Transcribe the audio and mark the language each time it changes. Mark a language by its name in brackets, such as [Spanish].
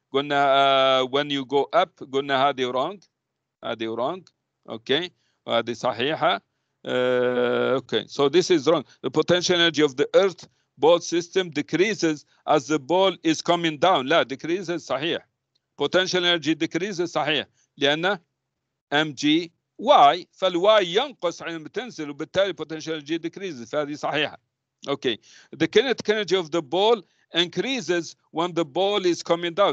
[Arabic] قلنا [English] when you go up. [Arabic] قلنا هذه [English] wrong. هذه wrong. Okay. [Arabic] وهذه صحيحة. [English] Okay. So this is wrong. The potential energy of the earth ball system decreases as the ball is coming down. [Arabic] لا [English] decreases [Arabic] صحيح. [English] Potential energy decreases [Arabic] صحيح. لأن MGY فالY ينقص عندما تنزل وبالتالي [English] potential energy decreases [Arabic] فهذه صحيحة. [English] Okay. The kinetic energy of the ball increases when the ball is coming down.